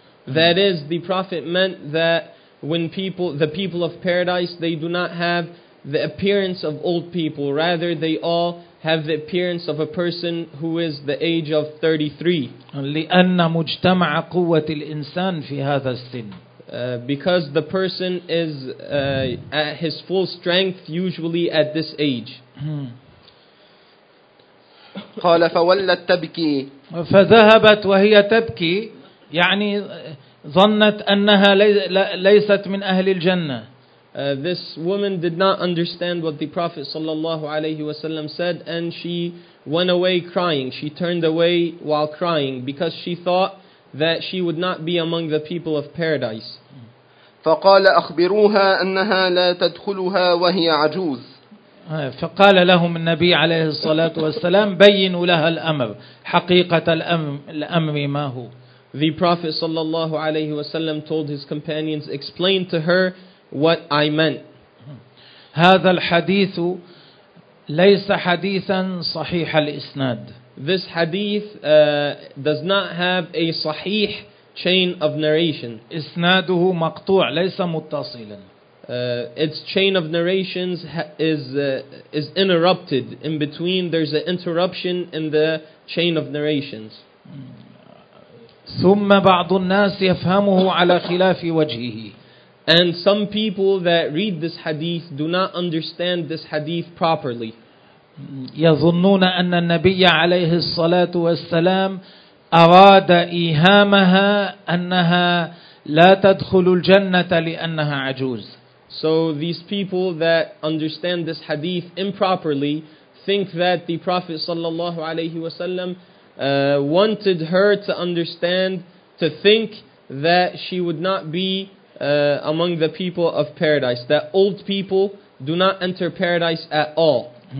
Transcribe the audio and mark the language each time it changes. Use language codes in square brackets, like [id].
[en] That is, the Prophet meant that the people of paradise, they do not have the appearance of old people, rather they all have the appearance of a person who is the age of 33. [ar] لأن مجتمع قوة الإنسان في هذا السن. [en] Because the person is at his full strength usually at this age. [ar] قال فولت تبكي. فذهبت وهي تبكي, يعني ظنت أنها ليست من أهل الجنة. [en] This woman did not understand what the Prophet sallallahu alayhi wasallam said, and she went away crying. She turned away while crying because she thought that she would not be among the people of paradise. [ar] فقال أخبروها أنها لا تدخلها وهي عجوز. فقال لهم النبي عليه الصلاة والسلام بينوا لها الأمر, حقيقة الأمر ما هو. [en] The Prophet sallallahu alayhi wasallam told his companions, explain to her what I meant. [ar] هذا الحديث ليس حديثا صحيح الإسناد. [en] This hadith does not have a sahih chain of narration. [ar] إسناده مقطوع ليس متصلا. [en] Its chain of narrations is interrupted. In between, there's an interruption in the chain of narrations. [ar] ثم بعض الناس يفهمه على خلاف وجهه. [en] And some people that read this hadith do not understand this hadith properly. [ar] يظنون أن النبي عليه الصلاة والسلام أراد إيهامها أنها لا تدخل الجنة لأنها عجوز. [en] So these people that understand this hadith improperly think that the Prophet sallallahu alayhi wasallam wanted her to understand, to think that she would not be among the people of paradise, that old people do not enter paradise at all.